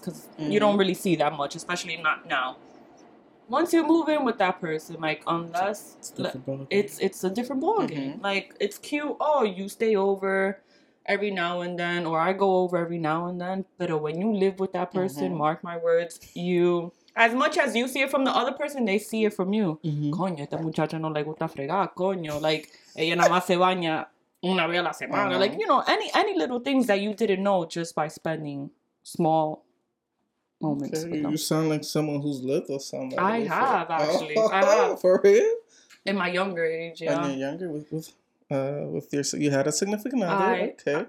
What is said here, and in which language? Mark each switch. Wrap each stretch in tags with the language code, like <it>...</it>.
<en>Because you don't really see that much. Especially not now. Once you move in with that person, like, unless... It's a different ballgame. Mm-hmm. Like, it's cute. Oh, you stay over every now and then. Or I go over every now and then. But when you live with that person, mark my words, you... As much as you see it from the other person, they see it from you.</en> <es>Coño, esta muchacha no le gusta fregar, coño. Like, ella nada más se baña una vez a la semana.</es> <en>Like, you know, any little things that you didn't know just by spending small moments with you them. You sound like someone who's lived with somebody. I have, actually. For real? In my younger age, yeah. And you're younger you had a significant other, okay?</en>